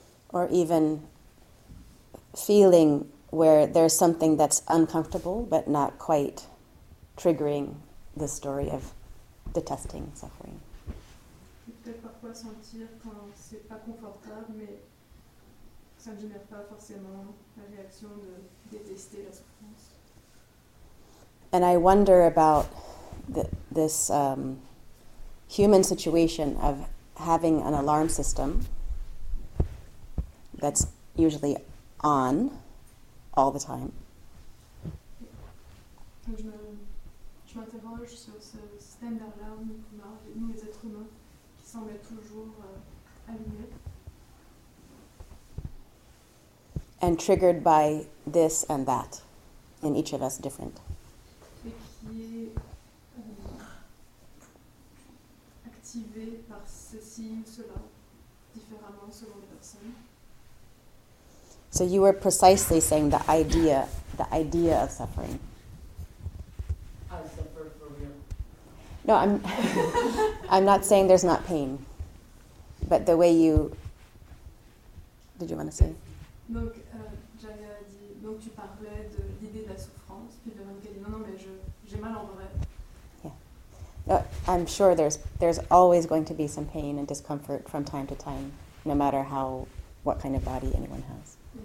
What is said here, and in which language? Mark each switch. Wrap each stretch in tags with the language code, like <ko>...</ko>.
<en>Or even feeling where there's something that's uncomfortable but not quite triggering the story of detesting suffering.</en> <fr>Peut-être parfois sentir quand c'est pas confortable, mais ça ne génère pas forcément la réaction de détester la souffrance.</fr> <en>And I wonder about this human situation of having an alarm system that's usually on all the time.</en> <fr>Je m'interroge sur ce système d'alarme que nous les êtres humains qui semblent toujours allumés.</fr> <en>And triggered by this and that, in each of us different.</en> <fr>Et qui est activé par ceci ou cela, différemment selon les personnes.</fr> <en>So you were precisely saying the idea of suffering. I suffer for real. No, I'm I'm not saying there's not pain. But the way you did you want to say?</en> <fr>Donc Jaya dit donc tu parlais de l'idée de la souffrance, puis de Ramke dit non non mais j'ai mal en vrai.</fr> <en>I'm sure there's always going to be some pain and discomfort from time to time, no matter how what kind of body anyone has.</en>